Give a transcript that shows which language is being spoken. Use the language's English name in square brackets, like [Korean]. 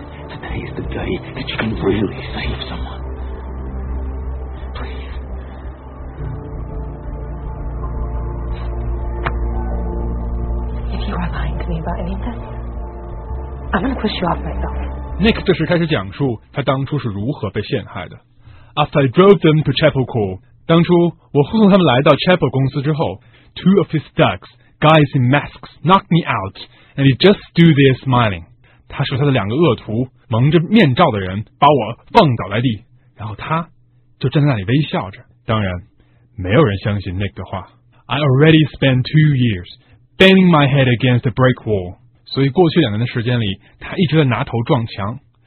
[English] Today is the day that you can really save someone. Please. If you are lying to me about any of this, I'm going to push you off myself. [Chinese] Nick 这时开始讲述他当初是如何被陷害的。 [English] After I drove them to Chappaqua, [Chinese] 当初我护送他们来到 Chappaqua 公司之后。 [English] Two of his thugs, guys in masks, knocked me out, and he just stood there smiling. [Chinese] 他说他的两个恶徒蒙着面罩的人把我放倒在地，然后他就站在那里微笑着。当然，没有人相信 Nick 的话。 [English] I already spent 2 years banging my head against a brick wall. [Chinese] 所以过去2年的时间里，他一直在拿头撞墙。